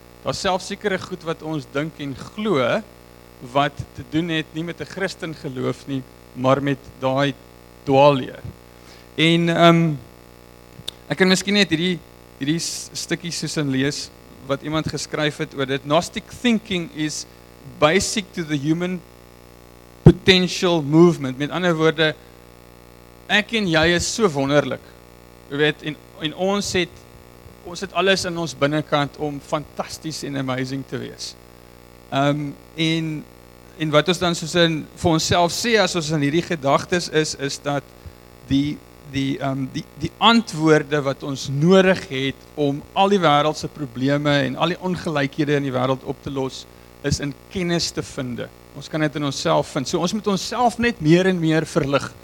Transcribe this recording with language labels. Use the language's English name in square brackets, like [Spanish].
[Afrikaans] Daar is selfs sekere goed wat ons dink en glo wat te doen het nie met 'n Christen geloof nie, maar met daai dwaalleer. En ek kan miskien net hierdie stukkie soos in lees wat iemand geskryf het oor dit. [English] Gnostic thinking is basic to the human potential movement. [Afrikaans] Met ander woorde, ek en jy is so wonderlik. Jy weet, en ons het alles in ons binnenkant om fantasties en amazing te wees. En wat ons dan soos in vir onsself sê as ons in hierdie gedagtes is dat die antwoorde wat ons nodig het om al die wêreldse probleme en al die ongelykhede in die wêreld op te los is in kennis te vind. Ons kan dit in onsself vind. So ons moet onsself net meer en meer verlig.